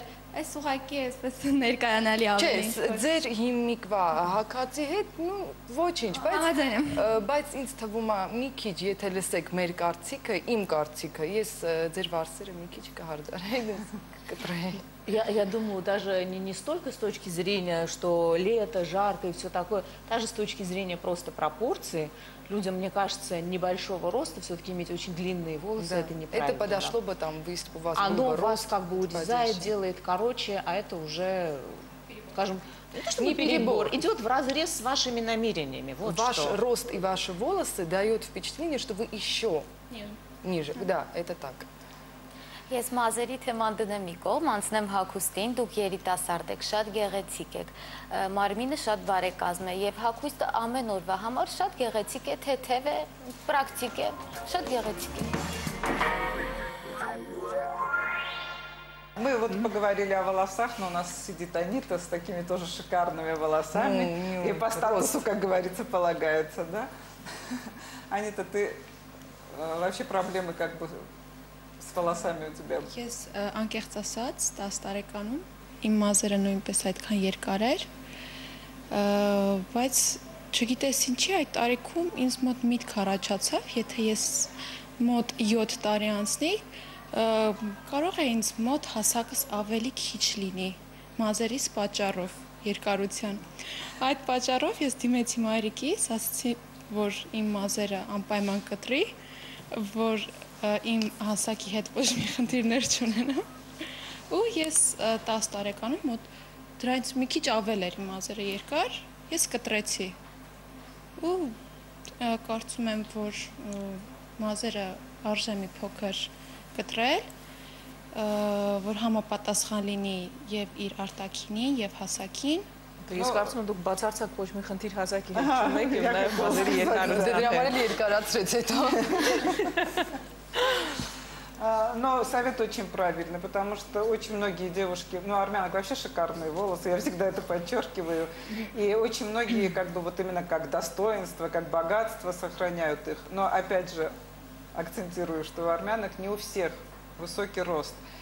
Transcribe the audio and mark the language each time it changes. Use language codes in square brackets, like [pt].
[hy] Այս ուղակի էսպես ներկայանալի ավելի։ Չէ, ձեր հիմիկվա հակացի հետ, ну, ոչինչ, բայց ինձ թվում է մի քիչ, եթե լսեք մեր կարծիքը, իմ կարծիքը, ես ձեր վարսերը մի քիչ կհարդարեմ, կտրեմ։ [ru] Я думаю, даже не столько с точки зрения, что лето, жарко и все такое, даже с точки зрения просто пропорции, людям, мне кажется, небольшого роста все-таки иметь очень длинные волосы, да. Это неправильно. Это подошло бы там, если бы у вас был бы рост. Оно вас как бы урезает, подешевле. Делает короче, а это уже, скажем, не перебор, идет вразрез с вашими намерениями. Вот ваш что. Рост и ваши волосы дают впечатление, что вы еще ниже. Да, это так. [hy] Ես մազերի թեման դնեմ մի կողմ, անցնեմ հագուստին, դուք երիտասարդ եք, շատ գեղեցիկ եք, մարմինը շատ բարեկազմ է, և հագուստը ամեն օրվա համար շատ գեղեցիկ է, թեթև է, պրակտիկ է, շատ գեղեցիկ է. [ru] Мы вот поговорили о волосах, но у нас сидит Анита с такими тоже шикарными волосами. И по статусу, как говорится, полагается, да? Анита, ты вообще проблемы как бы... [hy] Ես անկեղծ ասած 10 տարեկանում, իմ մազերը նույնպես այդքան երկար էր, բայց չգիտես ինչի այդ տարեկում ինձ մոտ միտք առաջացավ, եթե ես մոտ 7 տարի անցնի, կարող է ինձ մոտ հասակս ավելի քիչ լինի մազերիս պատճառով, երկարության։ Այդ պատճառով ես դիմեցի մայրիկիս, ասացի, որ իմ մազերը անպայման կտրի, որ իմ հասակի հետ ոչ մի խնդիրներ չունենամ, ու ես 10 տարեկանում, մոտ դրանց մի քիչ ավել էր իմ մազերը երկար, ես կտրեցի, ու կարծում եմ, որ մազերը արժե մի փոքր կտրել, որ համապատասխան լինի և իր արտաքինին և հասակին, Ես կարծում եմ, դուք բացարձակ ոչ մի խնդիր հասակի հետ չունեք եւ նաեւ մազերի երկարությունը։ Դե դրա համար երկարացրեց հետո։ [ru] Но совет очень правильный, потому что очень многие девушки, ну, армянок вообще шикарные волосы, я всегда это подчеркиваю, и очень многие как бы вот именно как достоинство, как богатство сохраняют их. Но опять же акцентирую, что у армянок не у всех высокий рост.